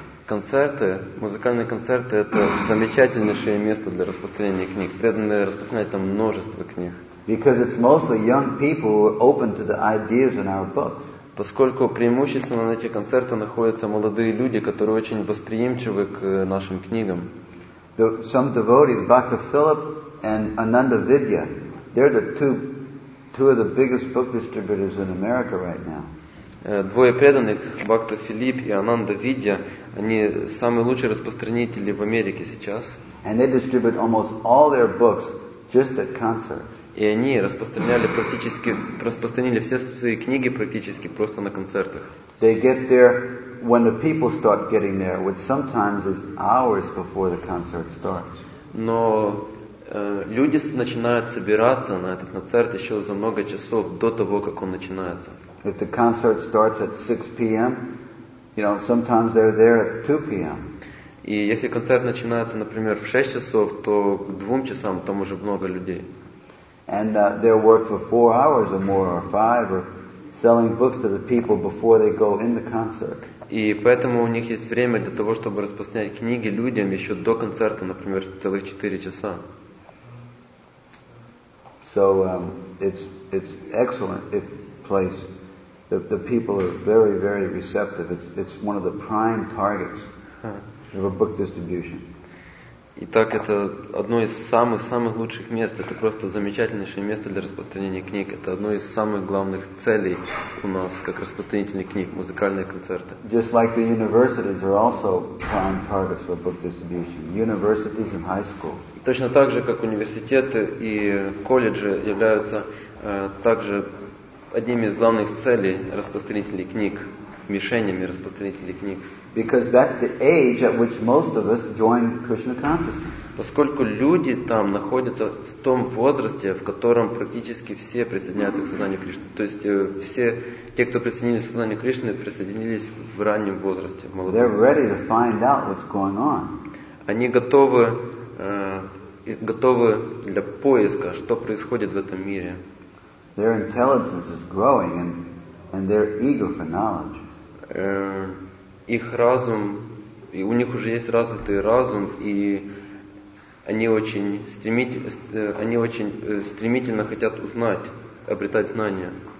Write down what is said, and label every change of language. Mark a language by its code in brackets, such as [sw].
[ru] концерты, музыкальные концерты – это замечательнейшее место для распространения книг. Преданные распространяют там множество книг. [en] Because it's mostly young people who are open to the ideas in our books. [ru] Поскольку преимущественно на этих концертах находятся молодые люди, которые очень восприимчивы к нашим книгам. [en] Some devotees, Bhakta Philip and Ananda Vidya, they're the two of the biggest book distributors in America right now. [ru] Двое преданных, Бхакта Филипп и Ананда Видья, они самые лучшие распространители в Америке сейчас. [en] And they distribute almost all their books just at concerts. [ru] И они распространили все свои книги практически просто на концертах. [en] They get there when the people start getting there, which sometimes is hours before the concert starts. [ru] Но люди начинают собираться на этот концерт еще за много часов до того, как он начинается. [en] If the concert starts at 6 p.m., you know, sometimes they're there at 2 p.m. [ru] И если концерт начинается, например, в 6 часов, то к 2 часам там уже много людей. [en] And they'll work for 4 hours or more, or 5, or selling books to the people before they go in the concert. [ru] И поэтому у них есть время для того, чтобы распространять книги людям еще до концерта, например, целых 4 часа. [en] So it's excellent place. The people are very, very receptive. It's one of the prime targets of a book distribution. [ru] Итак, это одно из самых лучших мест. Это просто замечательнейшее место для распространения книг. Это одно из самых главных целей у нас как распространителей книг, музыкальные концерты. [en] Just like the universities are also prime targets for book distribution. Universities and high schools. [ru] Точно так же, как университеты и колледжи являются также одним из главных целей распространителей книг, мишенями распространителей книг. [en] Because that's the age at which most of us join Krishna consciousness. [ru] Поскольку люди там находятся в том возрасте, в котором практически все присоединяются к сознанию Кришны. То есть все те, кто присоединились к сознанию Кришны, присоединились в раннем возрасте, в молодом. [en] They're ready to find out what's going on. [ru] Они готовы для поиска, что происходит в этом мире. [en] Their intelligence is growing, and they're eager for knowledge. [ru] Их разум, и у них уже есть развитый разум, и они очень стремительно хотят узнать, обретать знания.